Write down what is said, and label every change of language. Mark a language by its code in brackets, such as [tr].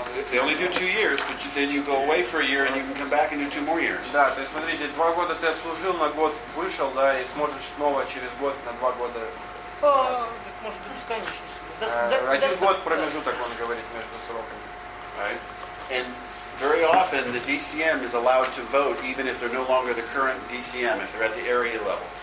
[en] They only do 2 years, but then you go away for a year and you can come back and do 2 more years. [ru] Да, то есть смотрите, 2 года ты отслужил, на год вышел, да, и сможешь снова через год на 2 года. Может быть бесконечно. Один год промежуток, он говорит, между сроками. [en] And very often the DCM is allowed to vote even if they're no longer the current DCM, if they're at the area level.